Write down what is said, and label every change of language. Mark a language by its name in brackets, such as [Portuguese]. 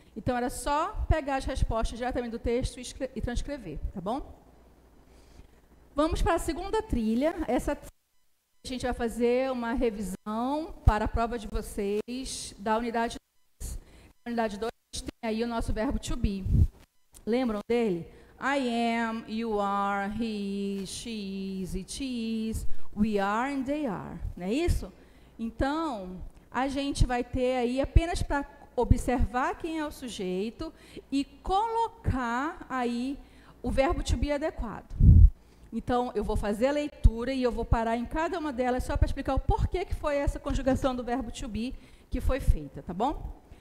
[Portuguese] Então era só pegar as respostas diretamente do texto e transcrever, tá bom? Vamos para a segunda trilha. Essa A gente vai fazer uma revisão para a prova de vocês da unidade 2. Na unidade 2, a gente tem aí o nosso verbo to be. Lembram dele? [English] I am, you are, he is, she is, it is, we are and they are. [Portuguese] Não é isso? Então, a gente vai ter aí apenas para observar quem é o sujeito e colocar aí o verbo to be adequado. Então, eu vou fazer a leitura e eu vou parar em cada uma delas só para explicar o porquê que foi essa conjugação do verbo to be que foi feita, tá bom?